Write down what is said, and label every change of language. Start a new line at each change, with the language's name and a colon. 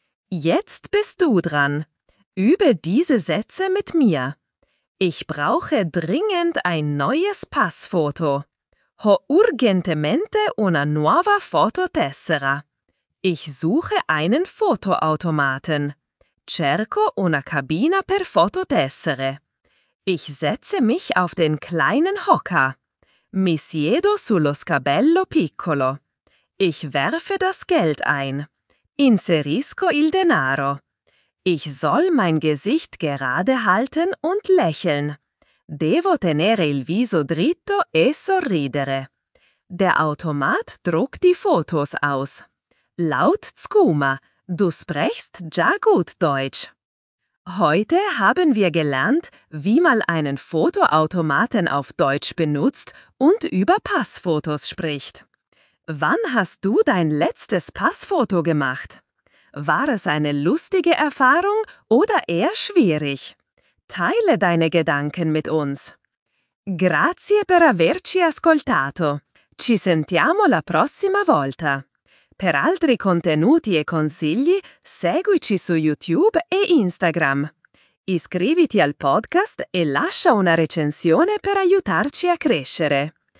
German: Jetzt bist du dran. Übe diese Sätze mit mir. Ich brauche dringend ein neues Passfoto.
Italian: Ho urgentemente una nuova fototessera.
German: Ich suche einen Fotoautomaten.
Italian: Cerco una cabina per fototessere.
German: Ich setze mich auf den kleinen Hocker.
Italian: Mi siedo sullo scabello piccolo.
German: Ich werfe das Geld ein.
Italian: Inserisco il denaro.
German: Ich soll mein Gesicht gerade halten und lächeln.
Italian: Devo tenere il viso dritto e sorridere.
German: Der Automat druckt die Fotos aus. Laut Skuma, du sprichst ja gut Deutsch. Heute haben wir gelernt, wie man einen Fotoautomaten auf Deutsch benutzt und über Passfotos spricht. Wann hast du dein letztes Passfoto gemacht? War es eine lustige Erfahrung oder eher schwierig? Teile deine Gedanken mit uns.
Italian: Grazie per averci ascoltato. Ci sentiamo la prossima volta. Per altri contenuti e consigli, seguici su YouTube e Instagram. Iscriviti al podcast e lascia una recensione per aiutarci a crescere.